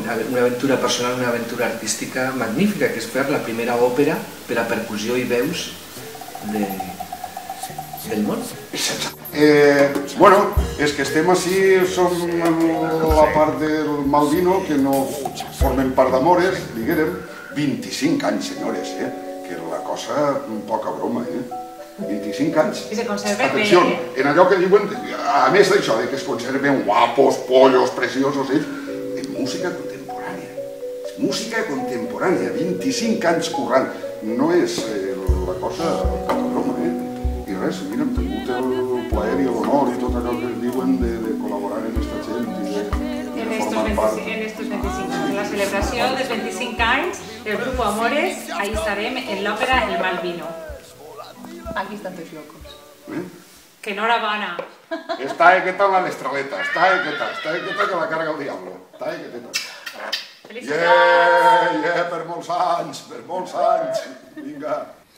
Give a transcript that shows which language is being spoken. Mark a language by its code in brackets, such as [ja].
[ca] una aventura personal, una aventura artística magnífica, que es fer la primera òpera per a percussió i veus del món. Bueno, és que estem així, som la part del Malvino, que no formem part d'Amores, diguérem, 25 anys, senyores, que és la cosa, poca broma, 25 anys. Atenció, en allò que diuen, a més d'això, que es conserven guapos, pollos, preciosos, música contemporània. Música contemporània, 25 anys currant. No és la cosa cap a broma, I res, mira, hem tingut el plaer i l'honor i tot allò que diuen de col·laborar amb aquesta gent. En estos 25 anys, la celebració dels 25 anys del Grupo Amores, ahí estarem en l'òpera El Malvino. Aquí estan tots locos. Que enhorabona. [es] Está ahí que está la estraleta, está ahí que está que la carga el diablo, está ahí que está. ¡Felicidades! [ca] ¡Yeah, per molts anys, vinga!